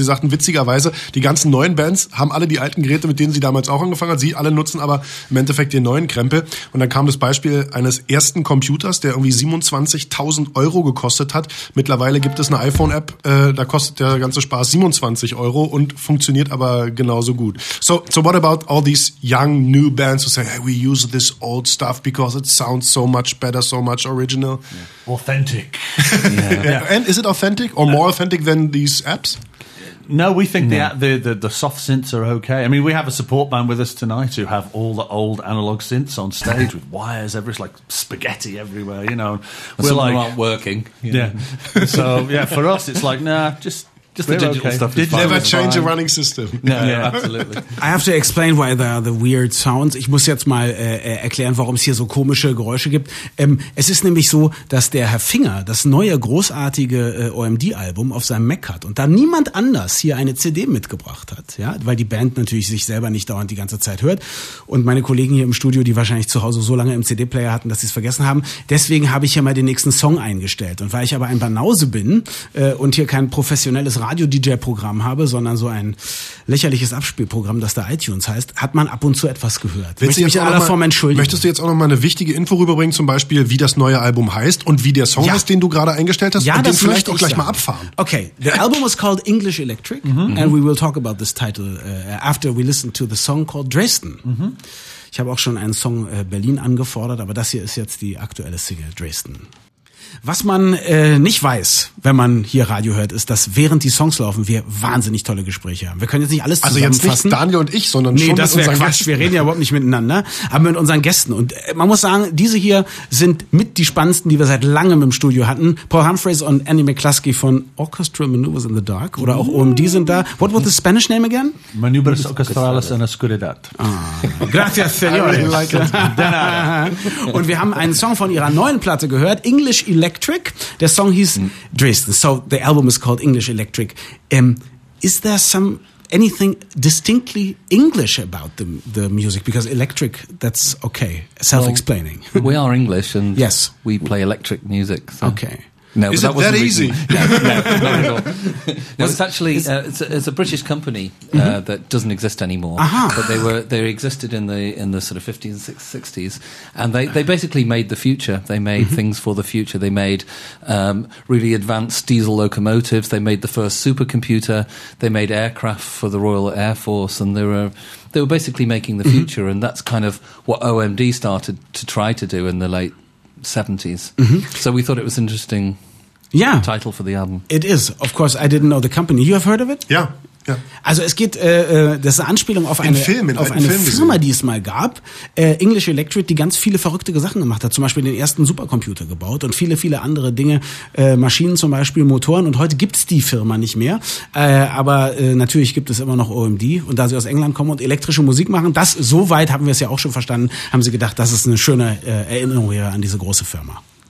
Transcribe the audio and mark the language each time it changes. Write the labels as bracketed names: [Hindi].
[German] Und sie sagten witzigerweise, die ganzen neuen Bands haben alle die alten Geräte, mit denen sie damals auch angefangen hat. Sie alle nutzen aber im Endeffekt den neuen Krempel. Und dann kam das Beispiel eines ersten Computers, der irgendwie 27.000 Euro gekostet hat. Mittlerweile gibt es eine iPhone-App, da kostet der ganze Spaß 27 Euro und funktioniert aber genauso gut. [English] So what about all these young, new bands who say, hey, we use this old stuff because it sounds so much better, so much original? Yeah. Authentic. Yeah. And is it authentic or more authentic than these apps? No, we think the soft synths are okay. I mean, we have a support band with us tonight who have all the old analog synths on stage with wires everywhere. It's like spaghetti everywhere, you know. Some aren't working. Yeah. So, yeah, for us, it's like, nah, just the digital okay. stuff. Never change a running system. No, yeah, absolutely. I have to explain why there are the weird sounds. [German] Ich muss jetzt mal erklären, warum es hier so komische Geräusche gibt. Es ist nämlich so, dass der Herr Finger das neue großartige OMD-Album auf seinem Mac hat und da niemand anders hier eine CD mitgebracht hat, ja, weil die Band natürlich sich selber nicht dauernd die ganze Zeit hört und meine Kollegen hier im Studio, die wahrscheinlich zu Hause so lange im CD-Player hatten, dass sie es vergessen haben. Deswegen habe ich hier mal den nächsten Song eingestellt und weil ich aber ein Banause bin und hier kein professionelles Radio-DJ-Programm habe, sondern so ein lächerliches Abspielprogramm, das da iTunes heißt, hat man ab und zu etwas gehört. Möchte ich mich in aller Form entschuldigen. Möchtest du jetzt auch noch mal eine wichtige Info rüberbringen, zum Beispiel, wie das neue Album heißt und wie der Song ist, den du gerade eingestellt hast? Ja, und das den vielleicht auch gleich sagen. Mal abfahren. [English] Okay, the album is called English Electric and we will talk about this title after we listen to the song called Dresden. [German] Ich habe auch schon einen Song Berlin angefordert, aber das hier ist jetzt die aktuelle Single Dresden. Was man nicht weiß, wenn man hier Radio hört, ist, dass während die Songs laufen, wir wahnsinnig tolle Gespräche haben. Wir können jetzt nicht alles zusammenfassen. Also jetzt nicht Daniel und ich, sondern nee, schon das mit unseren Quatsch. Gästen. Wir reden ja überhaupt nicht miteinander, aber mit unseren Gästen. Und man muss sagen, diese hier sind mit die spannendsten, die wir seit langem im Studio hatten. Paul Humphreys und Andy McCluskey von Orchestral Maneuvers in the Dark oder auch OMD sind da. [English] What was the Spanish name again? [Spanish] Maneuvers Orchestrales en Oscuridad. Ah. Gracias, señores. [English] I really like it. [German] Und wir haben einen Song von ihrer neuen Platte gehört, English Electric. [English] The song [German] hieß [English] Dresden. So the album is called English Electric. Is there anything distinctly English about the music? Because electric, that's okay. Self-explaining. Well, we are English and yes. We play electric music. So. Okay. No, is it that easy? No, it's actually it's a British company that doesn't exist anymore. Uh-huh. But they existed in the sort of 50s and 60s, and they basically made the future. They made things for the future. They made really advanced diesel locomotives. They made the first supercomputer. They made aircraft for the Royal Air Force, and they were basically making the future. And that's kind of what OMD started to try to do in the late 70s. So we thought it was interesting title for the album. It is. Of course, I didn't know the company. You have heard of it? Yeah. [German] Also es geht, das ist eine Anspielung auf eine Firma, die es mal gab, English Electric, die ganz viele verrückte Sachen gemacht hat, zum Beispiel den ersten Supercomputer gebaut und viele, viele andere Dinge, Maschinen zum Beispiel, Motoren und heute gibt es die Firma nicht mehr, aber natürlich gibt es immer noch OMD und da sie aus England kommen und elektrische Musik machen, das, soweit haben wir es ja auch schon verstanden, haben sie gedacht, das ist eine schöne Erinnerung hier an diese große Firma.